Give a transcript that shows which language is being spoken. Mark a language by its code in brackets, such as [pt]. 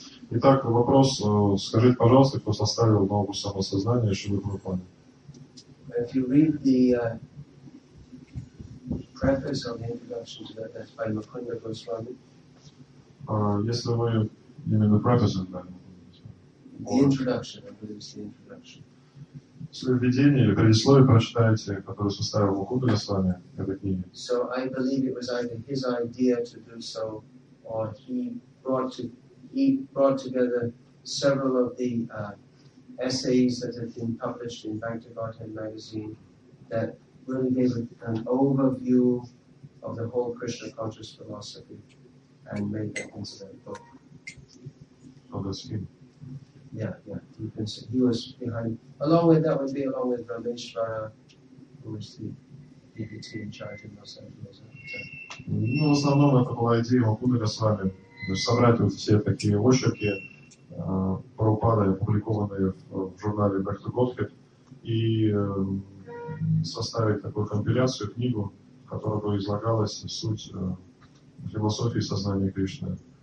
[ru] Итак, вопрос, скажите, пожалуйста, кто составил науку самосознания Шрилы Прабхупады? [en] If you read the preface of the introduction to that, that's by Mukunda Goswami. [ru] Если вы именно preface, да. [en] The introduction, I believe it's the introduction. [ru] Если введение или предисловие прочитаете, которое составил Мукунда Госвами, этой книги. [en] So I believe it was either his idea to do so, or he brought together several of the essays that have been published in Bhaktivedanta magazine that really gave an overview of the whole Krishna conscious philosophy and made that into that book. Oh, that's him. Yeah. You can see he was behind. Along with Rameshwara, who was the DVT in charge of Los Angeles. [ru] Собрать вот все такие очерки Прабхупады, опубликованные в журнале Бхакти Готхед, и составить такую компиляцию, книгу, в которой бы излагалась суть философии сознания Кришны.